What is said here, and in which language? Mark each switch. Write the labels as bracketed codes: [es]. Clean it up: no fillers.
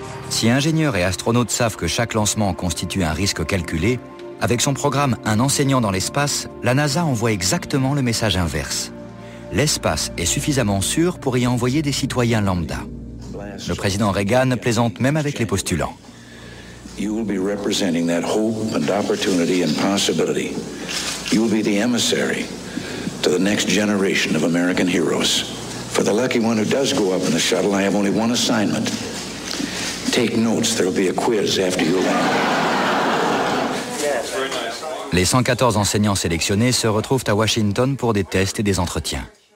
[fr] Si ingénieurs et astronautes savent que chaque lancement constitue un risque calculé, avec son programme Un enseignant dans l'espace, la NASA envoie exactement le message inverse. L'espace est suffisamment sûr pour y envoyer des citoyens lambda. Le président Reagan plaisante même avec les postulants. [en] You will be representing that hope and opportunity and possibility. You will be the emissary to the next generation of American heroes. For the lucky one who does go up in the shuttle, I have only one assignment. Take notes, there will be a quiz after you land. [fr] Les 114 enseignants sélectionnés se retrouvent à Washington pour des tests et des entretiens.